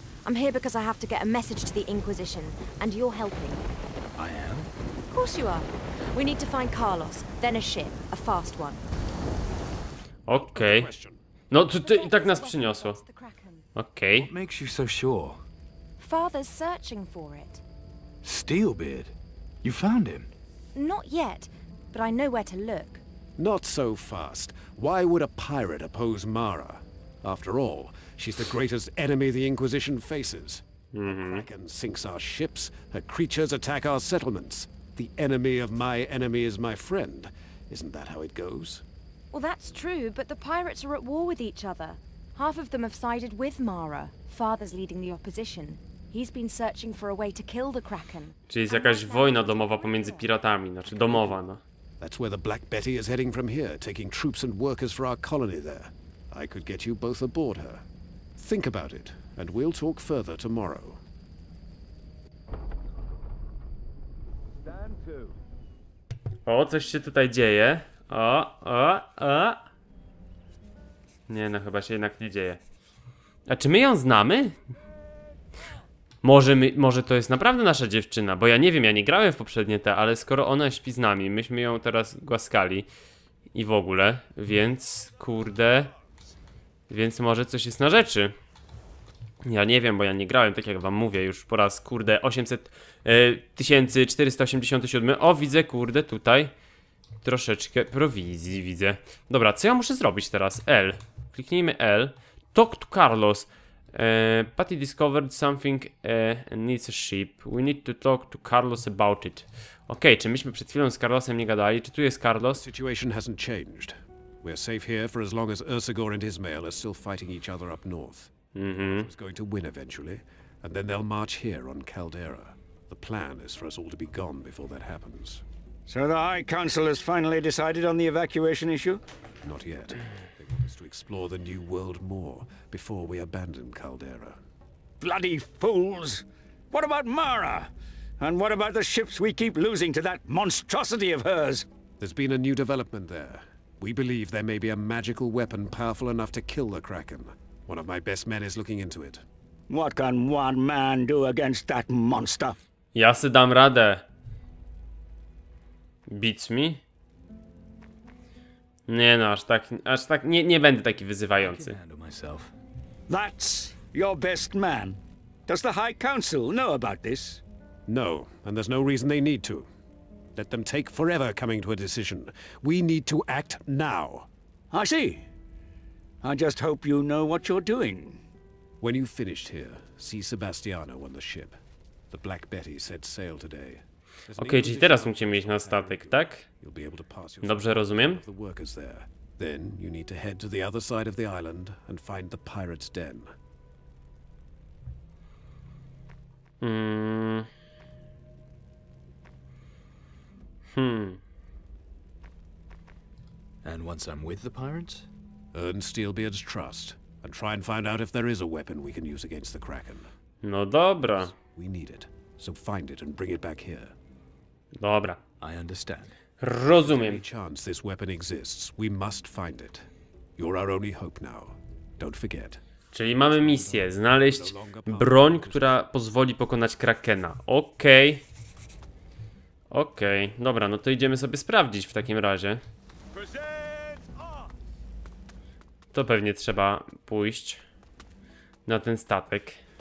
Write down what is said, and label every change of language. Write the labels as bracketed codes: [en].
[en] I'm here because I have to get a message to the Inquisition, and you're helping. I am? Of course you are. We need to find Carlos, then a ship, a fast one. Okay. [pl] No, to i tak nas przyniosło. [en] Okay. What makes you so sure? Father's searching for it. Steelbeard? You found him? Not yet, but I know where to look. Not so fast. Why would a pirate oppose Mara? After all, she's the greatest enemy the Inquisition faces. Mm-hmm. The Kraken sinks our ships, her creatures attack our settlements. The enemy of my enemy is my friend. Isn't that how it goes? Well, that's true, but the pirates are at war with each other. Half of them have sided with Mara. Father's leading the opposition. He's been searching for a way to kill the Kraken. [pl] Czyli jest jakaś wojna domowa pomiędzy piratami, znaczy domowa, no. [en] That's where the Black Betty is heading from here, taking troops and workers for our colony there. I could get you both aboard her. Think about it, and we'll talk further tomorrow. Stand to. [pl] O, coś się tutaj dzieje. O. Nie no, chyba się jednak nie dzieje. A czy my ją znamy? Może to jest naprawdę nasza dziewczyna, bo ja nie wiem, ja nie grałem w poprzednie te, ale skoro ona śpi z nami, myśmy ją teraz głaskali i w ogóle, więc kurde, więc może coś jest na rzeczy. Ja nie wiem, bo ja nie grałem, tak jak wam mówię, już po raz kurde 800 487. O, widzę kurde tutaj troszeczkę prowizji, widzę. Dobra, co ja muszę zrobić teraz? L, kliknijmy L. [en] Talk to Carlos. Patty discovered something and needs a ship. We need to talk to Carlos about it. [pl] Okay, czy myśmy przed chwilą z Carlosem nie gadali? Czy tu jest Carlos? [en] Situation hasn't changed. We're safe here for as long as Ursagor and his male are still fighting each other up north. Mm-hmm. He's going to win eventually, and then they'll march here on Caldera. The plan is for us all to be gone before that happens. So the High Council has finally decided on the evacuation issue? Not yet. Is to explore the new world more before we abandon Caldera. Bloody fools! What about Mara? And what about the ships we keep losing to that monstrosity of hers? There's been a new development there. We believe there may be a magical weapon powerful enough to kill the Kraken. One of my best men is looking into it. What can one man do against that monster? [pl] Ja se dam radę. [en] Beats me? [pl] Nie no, aż tak nie będę taki wyzywający. [en] That's your best man. Does the High Council know about this? No, and there's no reason they need to. Let them take forever coming to a decision. We need to act now. I see. I just hope you know what you're doing. When you've finished here, see Sebastiano on the ship. The Black Betty set sail today. [pl] Okej, czyli teraz musicie mieć na statek, tak? Dobrze rozumiem? [en] Then you need to head to the other side of the island and find the pirate's den. And once I'm with the pirates, earn Steelbeard's trust and try and find out if there is a weapon we can use against the Kraken. [pl] No dobra. [en] We need it. So find it and bring it back here. [pl] Dobra. [en] I understand. [pl] Rozumiem. [en] Any chance this weapon exists, we must find it. You're our only hope now. Don't forget. [pl] Czyli mamy misję, znaleźć broń, która pozwoli pokonać Krakena. Okej. Okej. Dobra, no to idziemy sobie sprawdzić w takim razie. To pewnie trzeba pójść na ten statek.